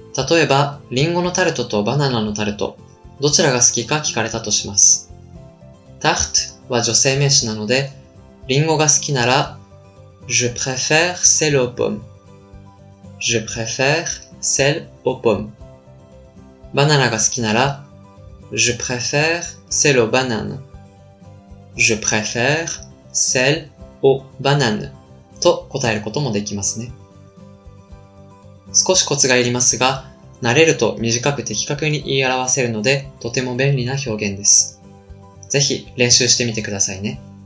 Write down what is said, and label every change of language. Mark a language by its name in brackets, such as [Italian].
[Japanese] 例えば、リンゴのタルトとバナナのタルト、どちらが好きか聞かれたとします。 tart は女性名詞なので、リンゴが好きなら、 [French] je préfère celle aux pommes。 je préfère celle aux pommes。 [Japanese] バナナが好きなら、 [French] je préfère celle aux bananes。 je préfère celle aux bananes。 [Japanese] と答えることもできますね。少しコツがいりますが、慣れると短く的確に言い表せるので、とても便利な表現です。ぜひ練習してみてくださいね。